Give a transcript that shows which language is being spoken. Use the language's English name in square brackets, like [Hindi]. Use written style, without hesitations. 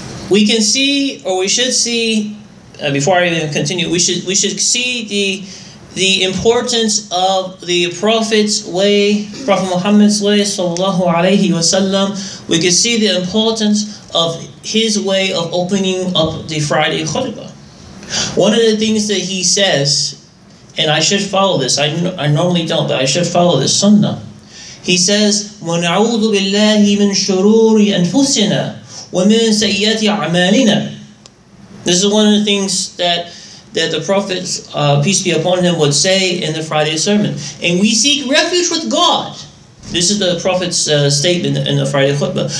[English] We can see, or we should see, before I even continue, we should see the importance of the Prophet's way, Prophet Muhammad's way, sallallahu alayhi wa sallam. We can see the importance of his way of opening up the Friday Khutbah. One of the things that he says, and I should follow this, I normally don't, but I should follow this sunnah. He says, [Arabic] وَنَعُوذُ بِاللَّهِ مِن شُرُورِ أَنفُسِنَا وَمِن سَيِّئَاتِ أَعْمَالِنَا. [English] This is one of the things that the Prophet, peace be upon him, would say in the Friday sermon. And we seek refuge with God. This is the Prophet's statement in the Friday khutbah.